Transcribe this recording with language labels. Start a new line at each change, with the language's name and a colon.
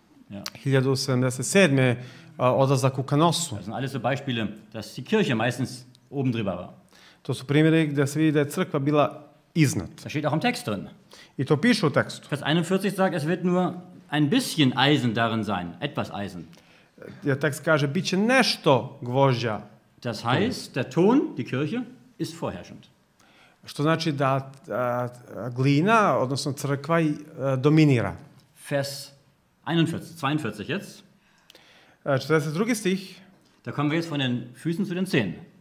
Serbian: Ja. 1077. Odlazak u Canossu.
German: Das sind alles so Beispiele, dass die Kirche meistens oben drüber war.
Serbian: To su primjeri gde se vidi da je crkva bila iznad.
German: Da steht auch im Text drin.
Serbian: I to piše u tekstu.
German: Vers 41 sagt, es wird nur ein bisschen Eisen darin sein, etwas Eisen.
Serbian: Ja, tekst kaže, bit će nešto gvožđa.
German: Das heißt, der Ton, die Kirche, ist vorherrschend.
Serbian: Što znači da glina, odnosno crkva, dominira.
German: Vers 42 jetzt.
Serbian: 42. stih.
German: Da kommen wir jetzt von den Füßen zu den Zehen.